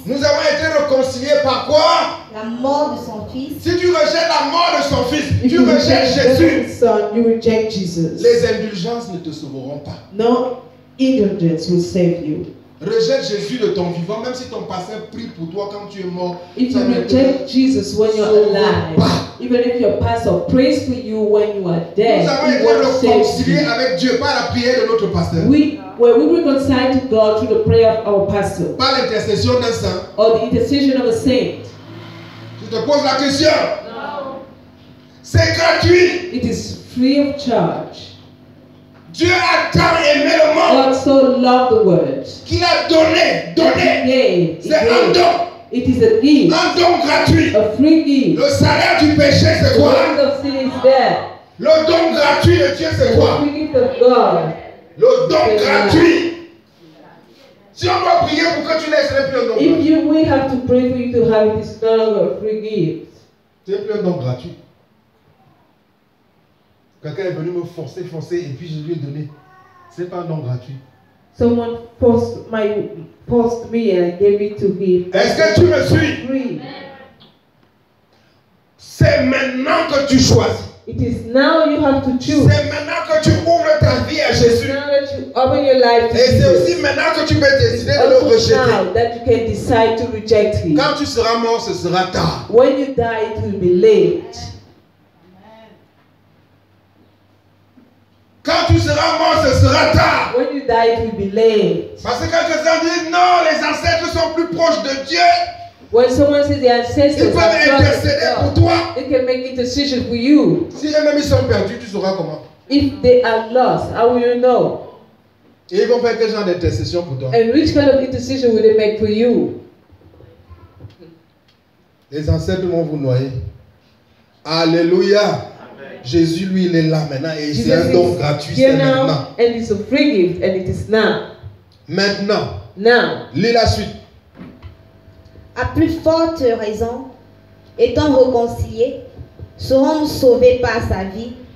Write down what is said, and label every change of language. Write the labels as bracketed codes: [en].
[fr] Nous avons été réconciliés par quoi? La mort de son fils. Si tu rejettes la mort de son fils, [en] if [fr] tu rejettes Jésus. [en] Son, you reject Jesus. [fr] Les indulgences ne te sauveront pas. [en] Non, indulgence will save you. [fr] Rejette Jésus de ton vivant, même si ton pasteur prie pour toi quand tu es mort. [en] If you reject Jesus when you're alive, even if your pastor prays for you when you are dead, [fr] nous avons été réconciliés avec Dieu par la prière de notre pasteur. [en] We reconciled to God through the prayer of our pastor. [fr] Par l'intercession d'un saint. [en] Or the intercession of a saint. [fr] Je te pose la question. [en] No. [fr] C'est gratuit. [en] It is free of charge. [fr] Dieu a tant aimé le monde. [en] God so loved the world. [fr] Qu'il a donné, donné. C'est un don. [en] It is a gift. [fr] Un don gratuit. [en] A free gift. [fr] Le salaire du péché, c'est [en] the [fr] quoi? [en] The wages of sin is there. [fr] Le don gratuit de Dieu, c'est quoi? [en] The gift of God. [fr] Le don gratuit. Si on doit prier pour que tu laisses le don gratuit. [en] If you will have to pray for you to have this dollar or free gift. [fr] Tu n'as plus un don gratuit. Quelqu'un est venu me forcer, forcer, et puis je lui ai donné. Ce n'est pas un don gratuit. [en] Someone forced me and gave it to him. [fr] Est-ce que tu me suis? [en] Free. [fr] C'est maintenant que tu choisis. [en] It is now you have to choose. [fr] C'est maintenant que tu ouvres ta vie à Jésus. [en] You open your life to [fr] et [en] Jesus. [fr] C'est aussi maintenant que tu peux décider de [en] also [fr] le rejeter. [en] Now that you can decide to reject him. [fr] Quand tu seras mort, ce sera tard. [en] When you die, it will be late. [fr] Quand tu seras mort, ce sera tard. [en] When you die, it will be late. [fr] Parce que quelqu'un dit non, les ancêtres sont plus proches de Dieu. [en] When someone says the ancestors [fr] ils peuvent intercéder pour toi. [en] They can make intercession for you. [fr] Si eux-mêmes sont perdus, tu sauras comment. [en] If they are lost, how will you know? [fr] Et ils vont faire quel genre d'intercession pour toi? [en] And which kind of intercession will they make for you? [fr] Les ancêtres vont vous noyer. Alléluia. Jésus, lui, il est là maintenant et [en] Jesus [fr] c'est un don gratuit, c'est maintenant. [en] And it's a free gift and it is now. [fr] Maintenant. [en] Now. [fr] Lis la suite. À plus forte raison, étant réconciliés, serons-nous sauvés par sa vie.